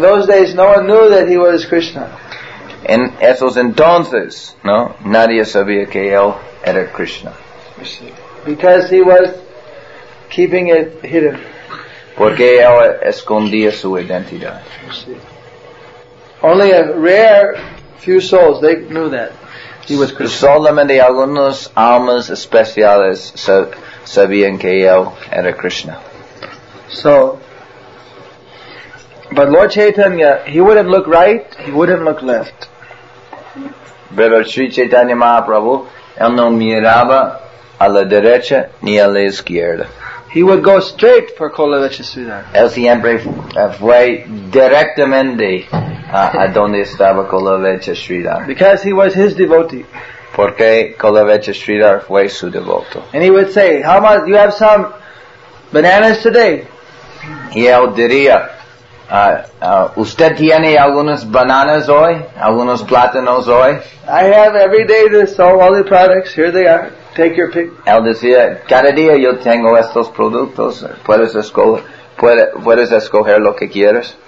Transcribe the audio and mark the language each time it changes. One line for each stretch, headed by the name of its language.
English: those days, no one knew that he was Krishna.
Spanish: En esos entonces, no, nadie sabía que él era Krishna.
English: Because he was keeping it hidden.
Spanish: Porque él escondía su identidad.
English: Only a rare few souls, they knew that he was Krishna.
Spanish: Solamente algunas almas especiales sabían que él era Krishna.
English: So, but Lord Chaitanya, he wouldn't look right, he wouldn't look left.
Spanish: Pero Sri Chaitanya Mahaprabhu, él no miraba a la derecha ni a la izquierda.
English: He would go straight for Kulavecha Sridhar.
Spanish: El siempre fue directamente a donde estaba Kulavecha Sridhar.
English: Because he was his devotee.
Spanish: Porque Kulavecha Sridhar fue su devoto.
English: And he would say, "How much? You have some bananas today?"
Spanish: Y él diría, ¿usted tiene algunas bananas hoy? ¿Algunos plátanos hoy?
English: I have every day this, all the products, here they are. Take your pick.
Spanish: Él decía, cada día yo tengo estos productos. Puedes escoger lo que quieres.